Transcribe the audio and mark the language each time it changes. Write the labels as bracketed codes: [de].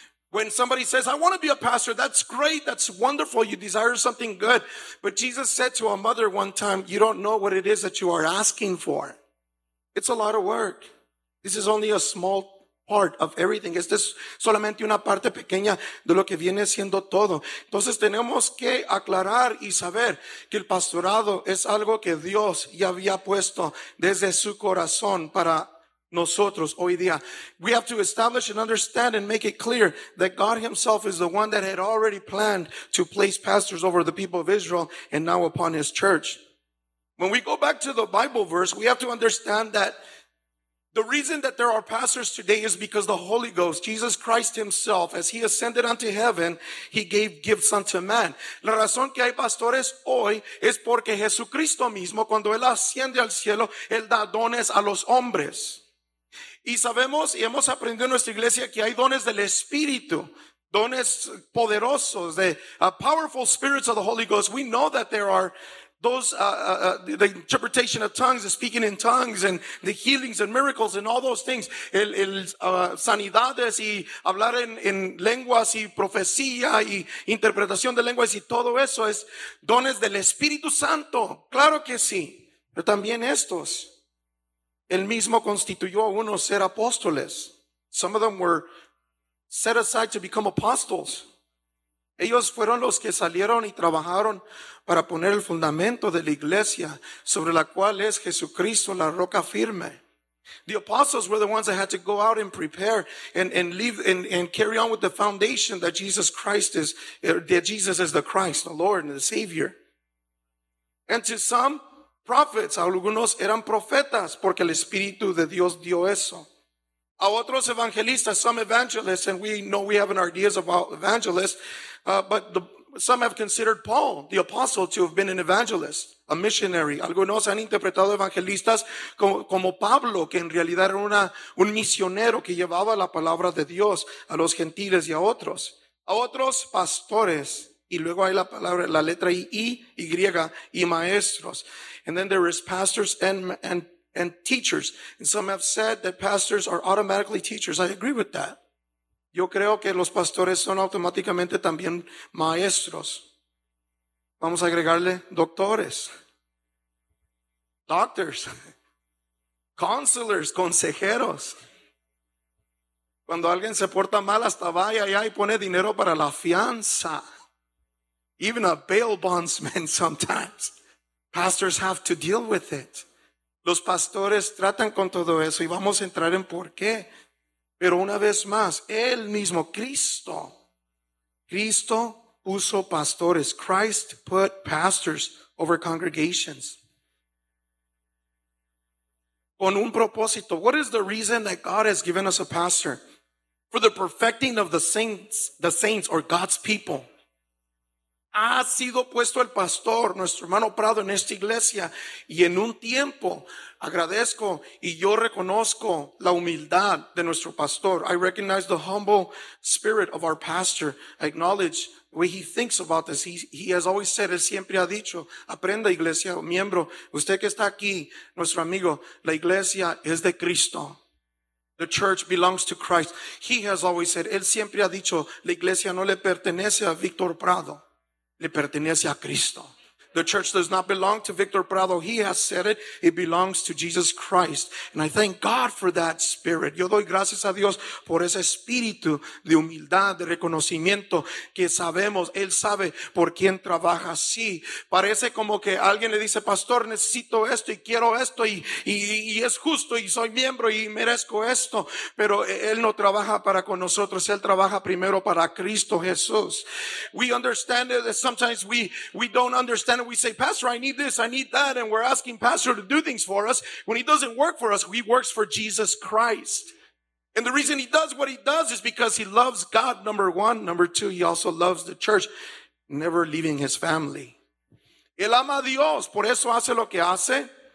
[en] When somebody says, I want to be a pastor, that's great, that's wonderful, you desire something good. But Jesus said to a mother one time, you don't know what it is that you are asking for. It's a lot of work. This is only a small part of everything. [es] Esta es solamente una parte pequeña de lo que viene siendo todo. Entonces tenemos que aclarar y saber que el pastorado es algo que Dios ya había puesto desde su corazón para nosotros hoy día. [en] We have to establish and understand and make it clear that God himself is the one that had already planned to place pastors over the people of Israel and now upon his church. When we go back to the Bible verse, we have to understand that the reason that there are pastors today is because the Holy Ghost, Jesus Christ himself, as he ascended unto heaven, he gave gifts unto man. [es] La razón que hay pastores hoy es porque Jesucristo mismo, cuando él asciende al cielo, él da dones a los hombres. Y sabemos y hemos aprendido en nuestra iglesia que hay dones del Espíritu. Dones poderosos, [en] the powerful spirits of the Holy Ghost. We know that there are those, the interpretation of tongues, the speaking in tongues, and the healings and miracles and all those things. [es] Sanidades y hablar en lenguas y profecía y interpretación de lenguas y todo eso es dones del Espíritu Santo. Claro que sí. Pero también estos. Él mismo constituyó a unos ser apóstoles. [en] Some of them were set aside to become apostles. [es] Ellos fueron los que salieron y trabajaron para poner el fundamento de la iglesia sobre la cual es Jesucristo la roca firme. [en] The apostles were the ones that had to go out and prepare and leave and carry on with the foundation that Jesus Christ is, that Jesus is the Christ, the Lord and the Savior. And to some prophets, [es] algunos eran profetas porque el Espíritu de Dios dio eso. A otros evangelistas, [en] some evangelists, and we know we have an ideas about evangelists, some have considered Paul, the apostle, to have been an evangelist, a missionary. [es] Algunos han interpretado evangelistas como Pablo, que en realidad era un misionero que llevaba la palabra de Dios a los gentiles y a otros. A otros, pastores. Y luego hay la palabra, la letra Y, y maestros. [en] And then there is pastors and and teachers. And some have said that pastors are automatically teachers. I agree with that. [es] Yo creo que los pastores son automáticamente también maestros. Vamos a agregarle doctores. [en] Doctors. Counselors, consejeros. [es] Cuando alguien se porta mal, hasta vaya allá y pone dinero para la fianza. [en] Even a bail bondsman sometimes. Pastors have to deal with it. [es] Los pastores tratan con todo eso y vamos a entrar en por qué. Pero una vez más, el mismo Cristo. Cristo puso pastores. [en] Christ put pastors over congregations. [es] Con un propósito. [en] What is the reason that God has given us a pastor? For the perfecting of the saints or God's people. [es] Ha sido puesto el pastor, nuestro hermano Prado, en esta iglesia. Y en un tiempo, agradezco y yo reconozco la humildad de nuestro pastor. [en] I recognize the humble spirit of our pastor. I acknowledge the way he thinks about this. He has always said, [es] él siempre ha dicho, aprenda iglesia, miembro, usted que está aquí, nuestro amigo, la iglesia es de Cristo. [en] The church belongs to Christ. He has always said, [es] él siempre ha dicho, la iglesia no le pertenece a Víctor Prado. Le pertenece a Cristo. [en] The church does not belong to Victor Prado. He has said it. It belongs to Jesus Christ. And I thank God for that spirit. [es] Yo doy gracias a Dios por ese espíritu de humildad, de reconocimiento que sabemos. Él sabe por quién trabaja. Sí, parece como que alguien le dice, pastor, necesito esto y quiero esto y es justo y soy miembro y merezco esto. Pero él no trabaja para con nosotros. Él trabaja primero para Cristo Jesús. [en] We understand that sometimes we don't understand. And we say, pastor, I need this, I need that. And we're asking pastor to do things for us. When he doesn't work for us, he works for Jesus Christ. And the reason he does what he does is because he loves God, number one. Number two, he also loves the church, never leaving his family. [es] Él ama a Dios, por eso hace lo que hace.